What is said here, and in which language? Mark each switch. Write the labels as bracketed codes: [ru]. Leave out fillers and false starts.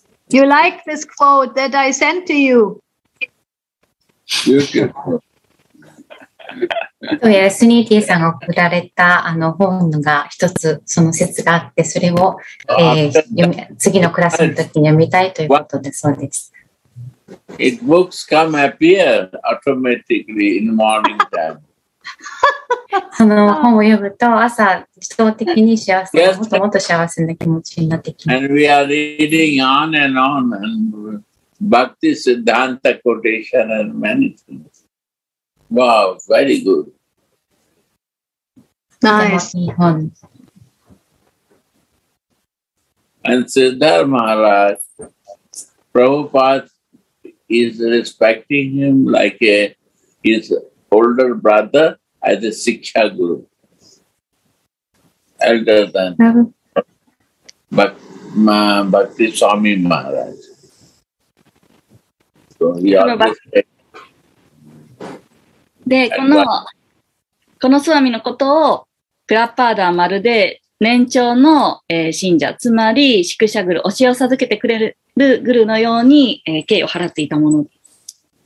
[en] You like this quote that I sent to you? [ja] Suniti-san が送られたあの本が一つその説があって、それを次のクラスの時に読みたいということで、そうです。 [en] It books come appear automatically in morning time. [ja] その本を読むと朝自動的に幸せ、もっともっと幸せな気持ちになってきます。 [en] And we are reading on and on and Bhakti Siddhanta quotation and many things. Wow, very good. Nice. And Siddhar Maharaj, Prabhupada is respecting him like his older brother. As a Siksha Guru, elder than Bhakti Swami Maharaj. So he always said. [ja] で、このスワミのことをプラッパーダはまるで年長の、信者、つまりシクシャグル、教えを授けてくれるグルのように、敬意を払っていたものです。